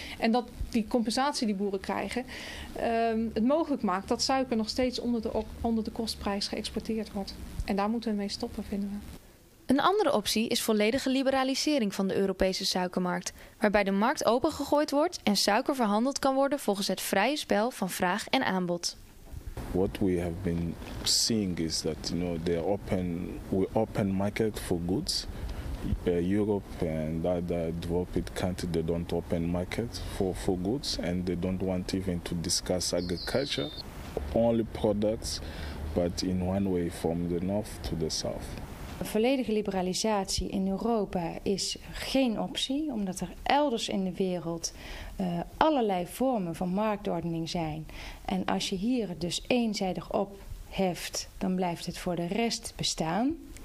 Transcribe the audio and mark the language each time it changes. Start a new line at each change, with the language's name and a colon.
Dutch: En dat die compensatie die boeren krijgen het mogelijk maakt dat suiker nog steeds onder de kostprijs geëxporteerd wordt. En daar moeten we mee stoppen, vinden we. Een andere optie is volledige liberalisering van de Europese suikermarkt, waarbij de markt opengegooid wordt en suiker verhandeld kan worden volgens het vrije spel van vraag en aanbod.
English: What we have been seeing is that, you know, we open market for goods. Europe and other developed countries, they don't open markets for goods, and they don't want even to discuss agriculture, only products, but in one way from the north to the south.
Dutch: Een volledige liberalisatie in Europa is geen optie, omdat er elders in de wereld allerlei vormen van marktordening zijn. En als je hier het dus eenzijdig opheft, dan blijft het voor de rest bestaan.